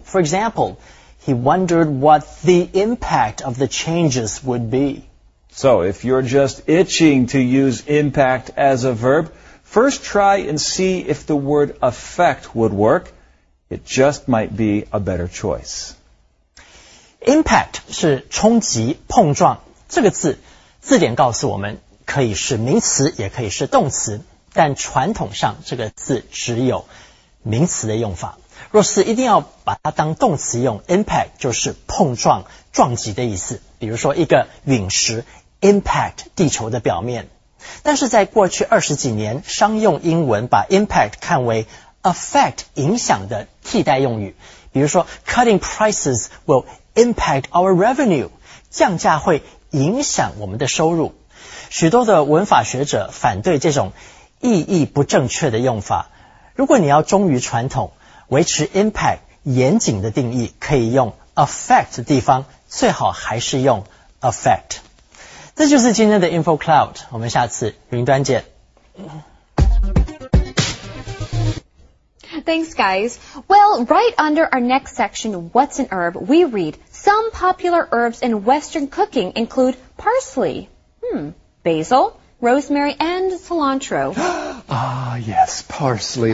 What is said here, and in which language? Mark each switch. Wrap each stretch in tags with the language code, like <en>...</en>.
<en>For example, he wondered what the impact of the changes would be. So if you're just itching to use impact as a verb, first try and see if the word effect would work. It just might be a better choice.</en> <zh>Impact 是冲击、碰撞。这个字，字典告诉我们，可以是名词，也可以是动词。但传统上，这个字只有名词的用法。若是一定要把它当动词用 ，impact 就是碰撞、撞击的意思。比如说，一个陨石 impact 地球的表面。但是在过去二十几年，商用英文把 impact 看为affect 影响的替代用语，比如说</zh> <en>cutting prices will impact our revenue，</en> <zh>降价会影响我们的收入。许多的文法学者反对这种意义不正确的用法。如果你要忠于传统，维持 impact 严谨的定义，可以用 affect 的地方，最好还是用 affect。这就是今天的 Info Cloud， 我们下次云端见。</zh> <en>Thanks, guys. Well, right under our next section, What's an Herb? We read, Some popular herbs in Western cooking include parsley, basil, rosemary, and cilantro. Ah, yes, parsley.</en>